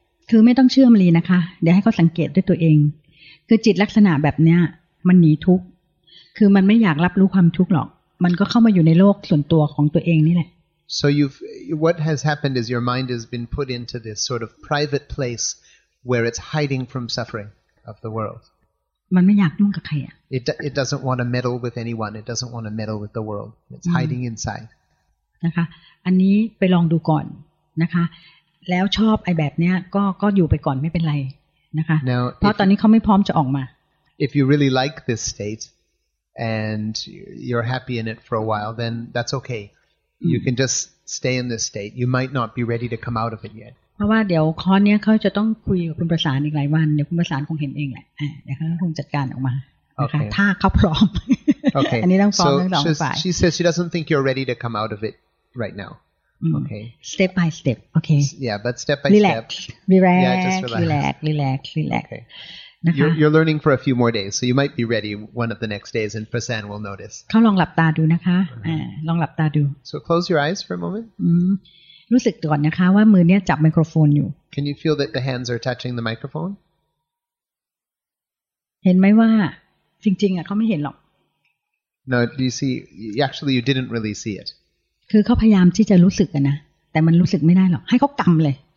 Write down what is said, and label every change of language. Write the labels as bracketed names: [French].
[Thai] คือไม่ต้องเชื่อมลีนะคะเดี๋ยวให้เขาสังเกตด้วยตัวเองคือจิตลักษณะแบบเนี้ยมันหนีทุกข์คือมันไม่อยากรับรู้ความทุกข์หรอกมันก็เข้ามาอยู่ในโลกส่วนตัวของตัวเองนี่แหละ [English] So what has happened is your mind has been put into this sort of private place where it's hiding from suffering of the world. [Thai] มันไม่อยากยุ่งกับใครอ่ะ [English] It doesn't want to meddle with anyone. It doesn't want to meddle with the world. It's hiding inside. [Thai] นะคะอันนี้ไปลองดูก่อนนะคะแล้วชอบไอ้แบบเนี้ยก็อยู่ไปก่อนไม่เป็นไรนะคะ [English] Now, [Thai] เพราะตอนนี้เขาไม่พร้อมจะออกมา [English] If you really like this stateAnd you're happy in it for a while, then that's okay. You can just stay in this state. You might not be ready to come out of it yet. [Thai] ราะว่าเดี๋ยวคอร์สเนี้ยเขาจะต้องคุยกับคุณประสานอีกหลายวันเดี๋ยวคุณประสานคงเห็นเองแหละเดี๋ยวเขาคงจัดการออกมา [English] okay. [Thai] ถ้าเขาพร้อม [English] okay. [Thai] อันนี้ต้องฟ้องทั้งสองฝ่าย [English] she says she doesn't think you're ready to come out of it right now okay step by step okay yeah but step by relax. step relax Okay. You're learning for a few more days, so you might be ready one of the next days, and Prasan will notice. [Thai] เขาลองหลับตาดูนะคะลองหลับตาดู [English] So close your eyes for a moment. [Thai] รู้สึกก่อนนะคะว่ามือเนี่ยจับไมโครโฟนอยู่ [English] Can you feel that the hands are touching the microphone? [Thai] เห็นไหมว่าจริงๆอ่ะเขาไม่เห็นหรอก [English] No, do you see? Actually, you didn't really see it. [Thai] คือเขาพยายามที่จะรู้สึกนะแต่มันรู้สึกไม่ได้หรอกให้เขากำเลย